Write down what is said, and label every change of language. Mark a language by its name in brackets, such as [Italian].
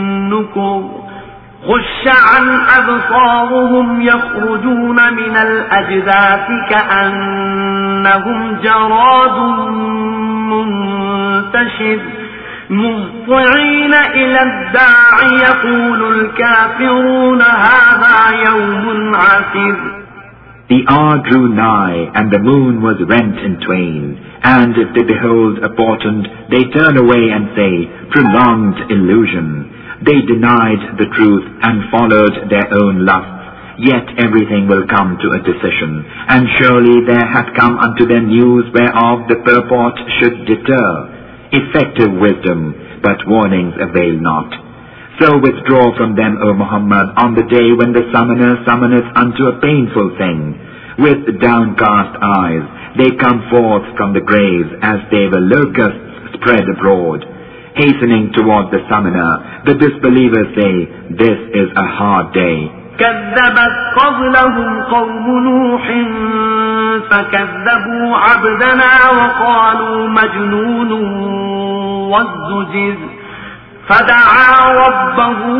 [Arabic] نكر خش عن أبصارهم يخرجون من الأجداث كأنهم جراد منتشر مهطعين إلى الداعي يقول الكافرون هذا يوم عسير. [English] The hour drew nigh, and the moon was rent in twain. And if they behold a portent, they turn away and say, prolonged illusion. They denied the truth and followed their own lusts. Yet everything will come to a decision. And surely there hath come unto them news whereof the purport should deter. Effective wisdom, but warnings avail not. So withdraw from them, O Muhammad, on the day when the summoner summoneth unto a painful thing. With downcast eyes, they come forth from the grave as they were locusts spread abroad. Hastening toward the summoner, the disbelievers say, this is a hard day. [Arabic] كذبت قبلهم قوم نوح فكذبوا عبدنا وقالوا مجنون وازدجر فدعا ربه